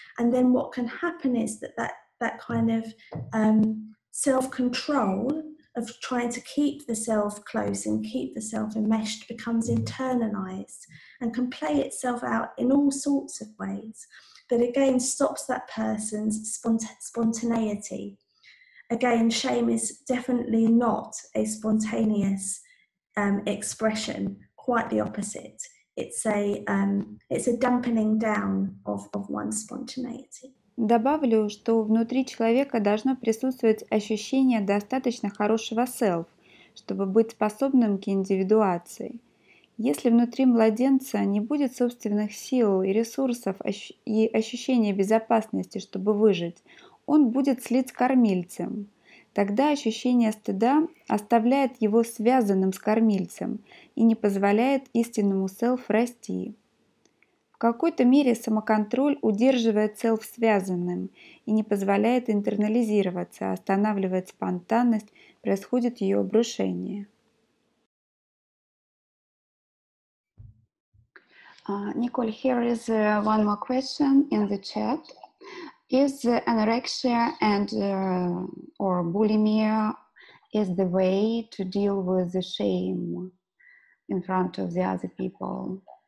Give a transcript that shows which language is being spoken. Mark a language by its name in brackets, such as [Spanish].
[English] And then what can happen is that kind of self-control of trying to keep the self close and keep the self enmeshed becomes internalized and can play itself out in all sorts of ways that again stops that person's spontaneity. Again, shame is definitely not a spontaneous expression, quite the opposite. It's a dampening down of one's spontaneity. [Russian] Добавлю, что внутри человека должно присутствовать ощущение достаточно хорошего self, чтобы быть способным к индивидуации. Если внутри младенца не будет собственных сил и ресурсов и ощущения безопасности, чтобы выжить, он будет слит с кормильцем. Тогда ощущение стыда оставляет его связанным с кормильцем и не позволяет истинному селф расти. В какой-то мере самоконтроль удерживает селф связанным и не позволяет интернализироваться, останавливает спонтанность, происходит ее обрушение. [English] Николь, here is one more question in the chat. Is anorexia and or bulimia is the way to deal with the shame in front of the other people?